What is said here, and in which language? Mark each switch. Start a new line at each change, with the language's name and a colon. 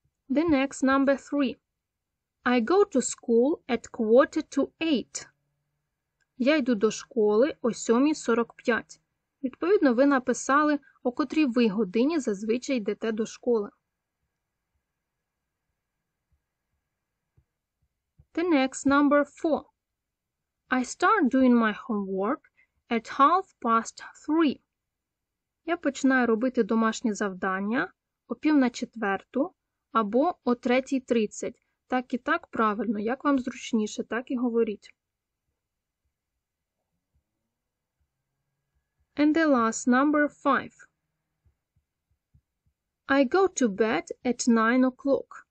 English: The next number three. I go to school at 7:45.
Ukrainian: Я йду до школи о 7:45. Відповідно, ви написали, о котрій ви годині зазвичай йдете до школи.
English: The next number four. I start doing my homework at 3:30.
Ukrainian: Я починаю робити домашні завдання о 3:45 або о 3:30. Так і так правильно, як вам зручніше, так і говоріть.
English: And the last number five. I go to bed at 9:00.